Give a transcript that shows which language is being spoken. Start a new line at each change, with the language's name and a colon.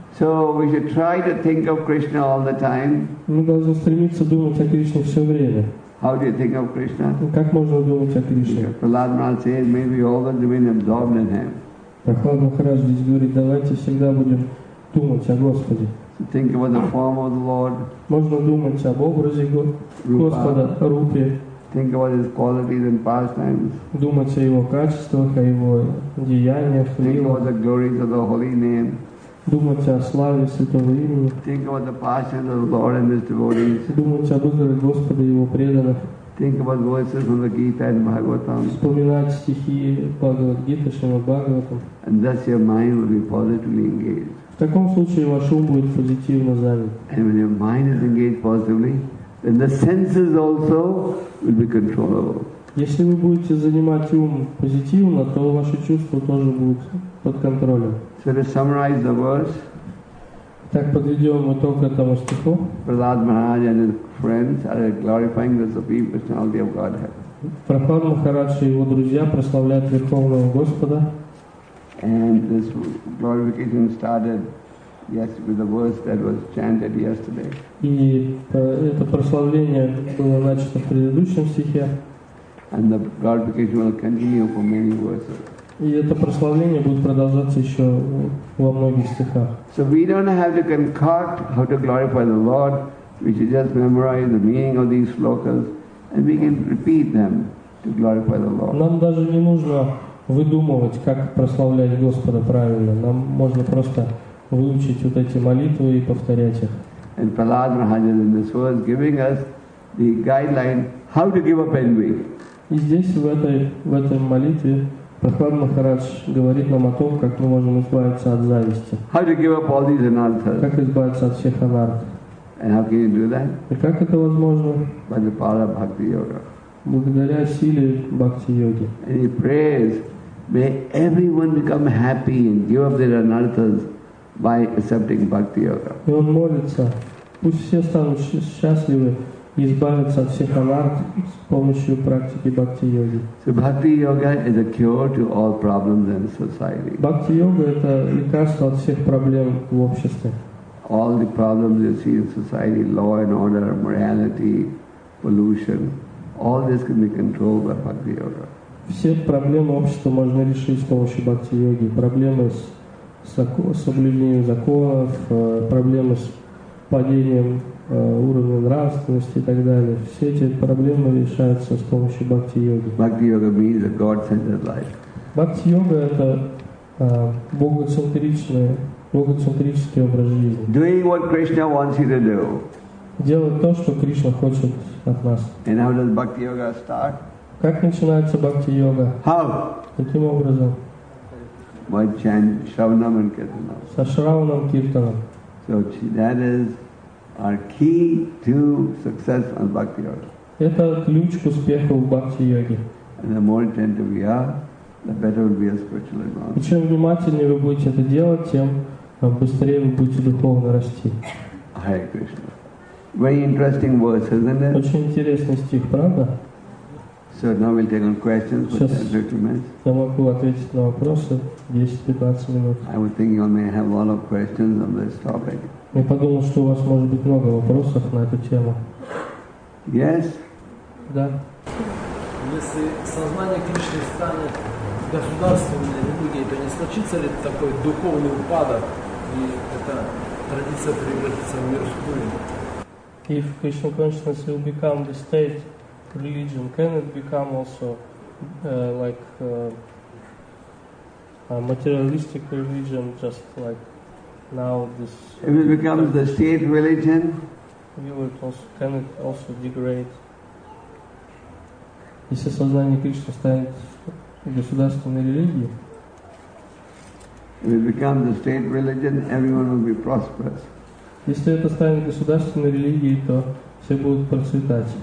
English: So we should try to think of Krishna all the time.
Russian: Мы должны стремиться думать о Кришне все время.
English: How do you think of Krishna?
Russian: Как можно думать о Кришне?
English: Prahlad Maharaj says, may we always remain absorbed in Him.
Russian: Прохлад Махарадж здесь говорит, давайте всегда будем думать о Господе.
English: So think about the form of the Lord.
Russian: Можно думать об образе Господа, Рупе.
English: Think about His qualities and pastimes.
Russian: Думать о Его качествах, о Его деяниях.
English: Think about the glories of the Holy Name.
Russian: Думать о славе Святого Имени.
English: Think about the passions of the Lord and His devotees.
Russian: Думать об образе Господа и Его преданных.
English: Think about verses from the Gita and Bhagavatam.
Russian: Вспоминать стихи Бхагавад-гиты, Шримад-Бхагаватам.
English: And thus your mind will be positively engaged.
Russian: В таком случае ваш ум будет позитивно занят.
English: And when your mind is engaged positively, then the senses also will be controllable.
Russian: Если вы будете занимать ум позитивно, то ваши чувства тоже будут под контролем.
English: So to summarize the verse.
Russian: Так подведем итог этого стиха.
English: Prahlad Maharaj and his friends are glorifying the Supreme Personality of Godhead.
Russian: Prahlad Maharaj и его друзья прославляют Верховного Господа.
English: And this glorification started with the verse that was chanted yesterday.
Russian: И это прославление было начато в предыдущем стихе.
English: And the glorification will continue for many verses.
Russian: И это прославление будет продолжаться еще во многих стихах.
English: So we don't have to concoct how to glorify the Lord. We should just memorize the meaning of these slokas, and we can repeat them to glorify the Lord.
Russian: Нам даже не нужно выдумывать, как прославлять Господа правильно. Нам можно просто выучить вот эти молитвы и повторять их.
English: And Prahlad Maharaj in this verse giving us the guideline how to give up envy.
Russian: И здесь в этой молитве Прохлад Махарадж говорит нам о том, как мы можем избавиться от зависти.
English: How to give up all these anarthas?
Russian: Как избавиться от всех анарт?
English: And how can you do that?
Russian: И как это возможно?
English: By the power of bhakti yoga.
Russian: Благодаря силе бхакти йоги.
English: And he prays, may everyone become happy and give up their anarthas by accepting bhakti yoga.
Russian: И он молится, Пусть все станут счастливы и избавятся от всех аварт с помощью практики бхакти-йоги.
English: So bhakti-yoga is a cure to all problems in society.
Russian: Бхакти-йога – это лекарство от всех проблем в обществе.
English: All the problems you see in society, law and order, morality, pollution, all this can be controlled by bhakti-yoga.
Russian: Все проблемы общества можно решить с помощью бхакти-йоги. Проблемы с соблюдением законов, проблемы с падением уровня нравственности и так далее. Все эти проблемы решаются с помощью бхакти-йоги.
English: Бхакти-йога means a God-centered life.
Russian: Бхакти-йога – это богоцентрический образ жизни.
English: Doing what Krishna wants you to do.
Russian: Делать то, что Кришна хочет от нас.
English: And how does bhakti-yoga start?
Russian: Как начинается бхакти-йога?
English: How?
Russian: Каким образом?
English: By chanting Shravanam and Kirtanam.
Russian: Со Шраванам Киртанам.
English: So that is our key to success on bhakti-yoga.
Russian: Это ключ к успеху в бхакти-йоге.
English: And the more attentive we are, the better will be our spiritual advancement.
Russian: И чем внимательнее вы будете это делать, тем быстрее вы будете духовно расти.
English: Hare Krishna. Very interesting verse, isn't it?
Russian: Очень интересный стих, правда?
English: So now we'll take on questions for 10-15 minutes.
Russian: Я могу ответить на вопросы 10-15 минут.
English: I would think you may have a lot of questions on this topic.
Russian: Я подумал, что у вас может быть много вопросов на эту тему.
English: Yes?
Russian: Да. Если сознание Кришны станет государственной религией, то не случится ли такой духовный упадок, и эта традиция превратится в мирскую?
English: If Krishna consciousness will become the state religion, can it become also a materialistic religion, just like now this? If it becomes the state religion, can it also degrade?
Russian: Если сознание Кришны станет государственной религией,
English: if it becomes the state religion, everyone will be prosperous.
Russian: Если это станет государственной религией, то все будут процветать.